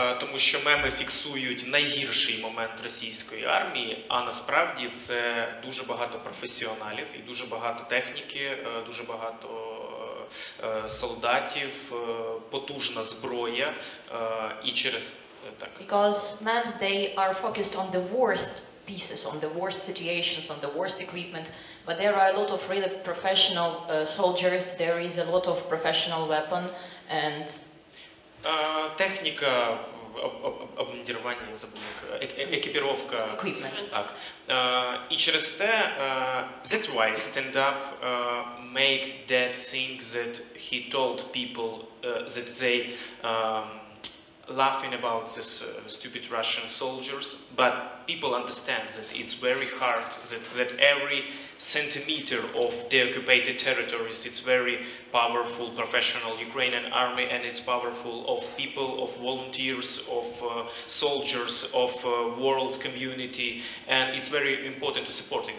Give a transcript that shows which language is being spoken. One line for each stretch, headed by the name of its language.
Ukrainian: Тому що меми фіксують найгірший момент російської армії, а насправді це дуже багато професіоналів і дуже багато техніки, дуже багато солдатів, потужна зброя і через так.
English: Because memes, they are focused on the worst pieces, on the worst situations, on the worst equipment. But there are a lot of really professional soldiers, there is a lot of professional weapon, and...
Ukrainian: Техніка, обмундірування, екіпіровка.
English: Equipment.
Ukrainian: Так. І через те,
English: that's why stand-up make that thing that he told people that they laughing about this stupid Russian soldiers, but people understand that it's very hard, that every centimeter of deoccupied territories, it's very powerful professional Ukrainian army, and it's powerful of people, of volunteers, of soldiers, of world community, and it's very important to support it.